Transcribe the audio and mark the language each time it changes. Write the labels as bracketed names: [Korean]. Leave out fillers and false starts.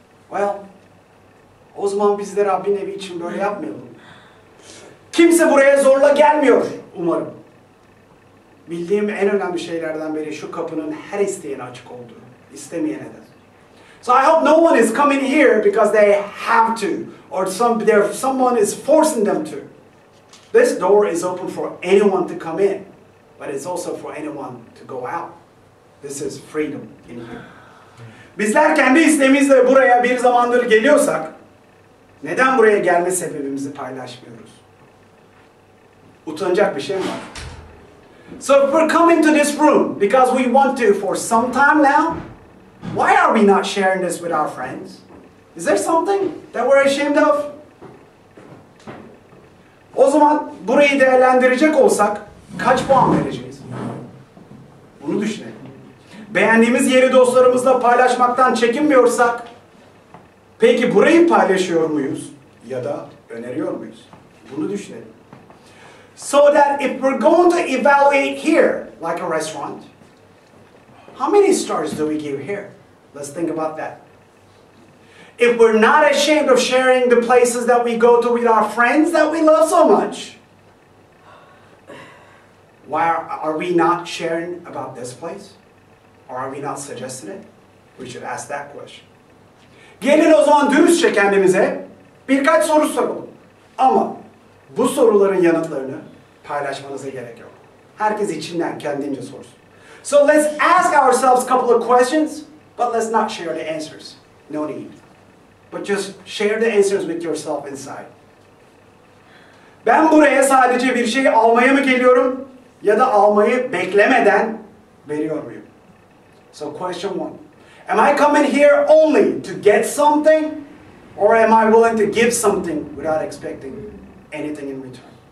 [English] Well, [Turkish] o zaman biz de Rabbin evi için böyle yapmayalım. Kimse buraya zorla gelmiyor, umarım. Bildiğim en önemli şeylerden biri şu kapının her isteyene açık olduğu, istemeyene de. [English] So I hope no one is coming here because they have to, or someone is forcing them to. This door is open for anyone to come in, but it's also for anyone to go out. This is freedom in here. [Turkish] Bizler kendi istemizle buraya bir zamandır geliyorsak, neden buraya gelme sebebimizi paylaşmıyoruz? Utanacak bir şey mi var? [English] So if we're coming to this room because we want to for some time now, why are we not sharing this with our friends? Is there something that we're ashamed of? [Turkish] O zaman burayı değerlendirecek olsak kaç puan vereceğiz? Bunu düşünelim. Beğendiğimiz yeri dostlarımızla paylaşmaktan çekinmiyorsak, peki burayı paylaşıyor muyuz ya da öneriyor muyuz? Bunu düşünelim. [English] So that if we're going to evaluate here, like a restaurant, how many stars do we give here? Let's think about that. If we're not ashamed of sharing the places that we go to with our friends that we love so much, why are we not sharing about this place? Or are we not suggesting it? We should ask that question. [Turkish] Gelin o zaman dürüstçe kendimize birkaç soru soralım. Ama bu soruların yanıtlarını paylaşmanıza gerek yok. Herkes içinden kendince sorsun. [English] So let's ask ourselves a couple of questions, but let's not share the answers. No need. But just share the answers with yourself inside. [Turkish] Ben buraya sadece bir şey almaya mı geliyorum? Ya da almayı beklemeden veriyor muyum? [English] So question one. Am I coming here only to get something? Or am I willing to give something without expecting anything in return?